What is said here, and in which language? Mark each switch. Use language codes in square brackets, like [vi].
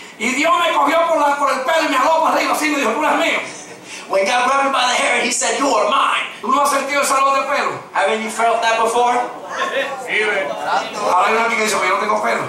[es] y Dios me cogió por el pelo y me jaló para arriba, así me dijo, tú eres mío. [en] When God grabbed me by the hair, He said, "You are mine." [es] ¿Tú no has sentido ese jalón de pelo? [en] Haven't you felt that before? [es] Ahora hay alguien que dice, "Yo no tengo pelo."